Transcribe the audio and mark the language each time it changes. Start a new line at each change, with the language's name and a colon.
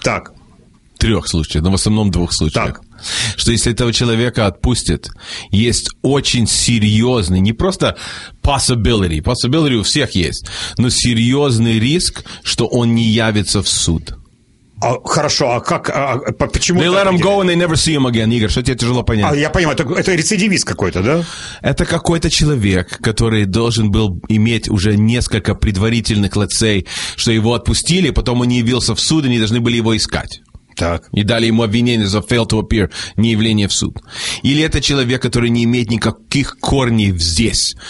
Russian: Так. В трех случаях, но в основном в двух случаях. Так. Что если этого человека отпустят, есть очень серьезный, не просто possibility, possibility у всех есть, но серьезный риск, что он не явится в суд. А, хорошо, а как, а почему...
English: They let him go and they never see him again,
Russian: Игорь, что тебе тяжело понять? А, я понимаю, это рецидивист какой-то, да? Это какой-то человек, который должен был иметь уже несколько предварительных,
English: let's say,
Russian: что его отпустили, потом он не явился в суд, и они должны были его искать. Так. И дали ему обвинение за
English: fail to appear,
Russian: неявление в суд. Или это человек, который не имеет никаких корней здесь.